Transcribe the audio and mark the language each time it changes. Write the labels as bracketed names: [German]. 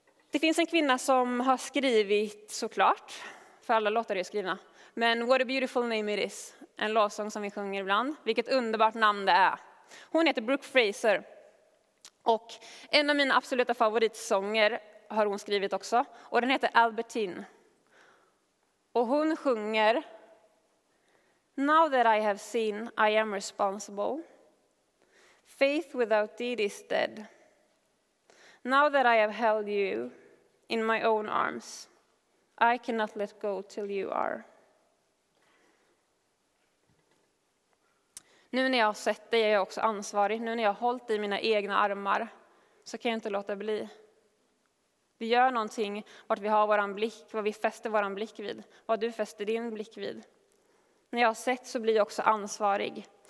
[Swedish] Det finns en kvinna som har skrivit, såklart, för alla låtar är skrivna, men What a Beautiful Name It Is, en låtsång som vi sjunger ibland. Vilket underbart namn det är. Hon heter Brooke Fraser. Och en av mina absoluta favoritsånger har hon skrivit också. Och den heter Albertine. Och hon sjunger Now that I have seen, I am responsible. [English] Faith without deed is dead. Now that I have held you in my own arms, I cannot let go till you are. [Swedish] Nu när jag har sett dig är jag också ansvarig. Nu när jag har hållit i mina egna armar så kan jag inte låta bli. Vi gör någonting vart vi har våran blick, vad vi fäster våran blick vid. Vad du fäster din blick vid. När jag har sett så blir jag också ansvarig.